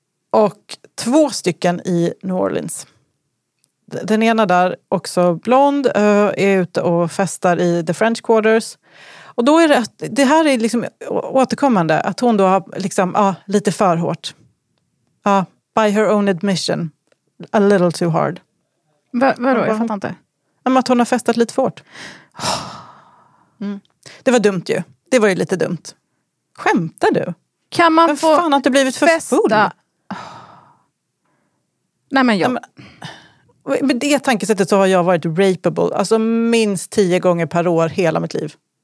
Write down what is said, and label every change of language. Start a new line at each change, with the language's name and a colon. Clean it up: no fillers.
Swedish: Och 2 stycken i New Orleans. Den ena där, också blond, är ute och festar i The French Quarters. Och då är det, det här är liksom återkommande, att hon då har liksom, lite för hårt.
English: By her own admission, a little too hard.
Swedish: Vadå? Jag fattar inte. Att hon har festat lite för hårt. Mm. Det var dumt ju. Det var ju lite dumt. Skämtar du? Kan man få fan att det blivit för festa? Full? Nej, men jag... Med det tankesättet så har jag varit rapeable. Alltså minst 10 gånger per år hela mitt liv.